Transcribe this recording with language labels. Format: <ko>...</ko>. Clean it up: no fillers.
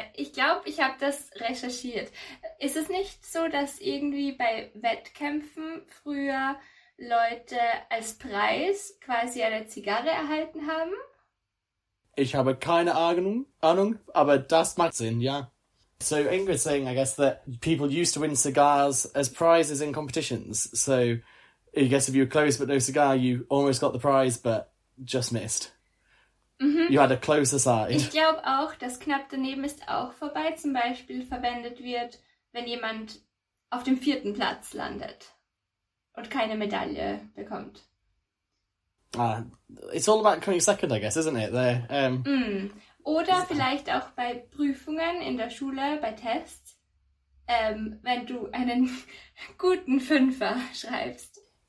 <de>Ich glaube, ich habe das recherchiert. Ist es nicht so, dass irgendwie bei Wettkämpfen früher Leute als Preis quasi eine Zigarre erhalten haben? Ich habe keine Ahnung, aber das macht Sinn, ja.</de> <en>So Ingrid's saying, I guess, that people used to win cigars as prizes in competitions. So I guess if you were close but no cigar, you almost got the prize but just missed. Mm-hmm. You had a closer side.</en> <de>Ich glaube auch, dass knapp daneben ist auch vorbei, zum Beispiel verwendet wird, wenn jemand auf dem vierten Platz landet und keine Medaille bekommt.</de> <en>Ah, it's all about coming second, I guess, isn't it?</en> <de>Oder vielleicht auch bei Prüfungen in der Schule, bei Tests, wenn du einen guten Fünfer schreibst.</de>